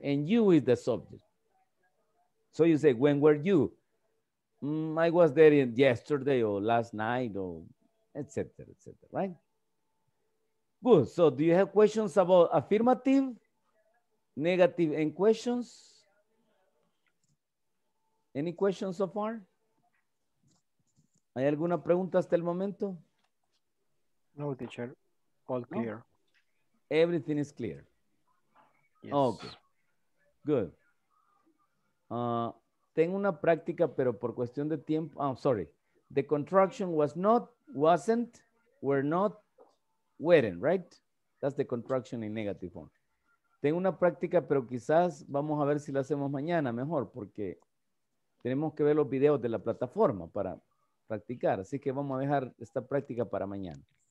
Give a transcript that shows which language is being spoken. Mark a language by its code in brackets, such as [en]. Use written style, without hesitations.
[en] And you is the subject. So you say, when were you? I was there yesterday or last night or et cetera, right? Good, so do you have questions about affirmative, negative, and questions? Any questions so far? [es] ¿Hay alguna pregunta hasta el momento? [en] No, teacher, all clear. No? Everything is clear. Yes. Okay, good. [es] Tengo una práctica, pero por cuestión de tiempo. [en] Oh, sorry. The contraction was not, wasn't, were not, weren't, right? That's the contraction in negative form. [es] Tengo una práctica, pero quizás vamos a ver si la hacemos mañana mejor, porque tenemos que ver los videos de la plataforma para practicar. Así que vamos a dejar esta práctica para mañana.